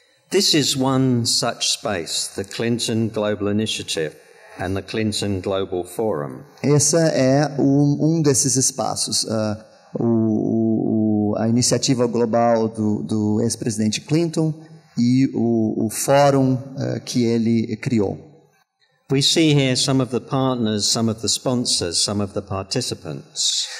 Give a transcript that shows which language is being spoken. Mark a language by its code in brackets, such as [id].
[en] This is one such space, the Clinton Global Initiative and the Clinton Global Forum. [pt] Essa é um desses espaços, a iniciativa global do ex-presidente Clinton e o fórum que ele criou. [en] We see here some of the partners, some of the sponsors, some of the participants.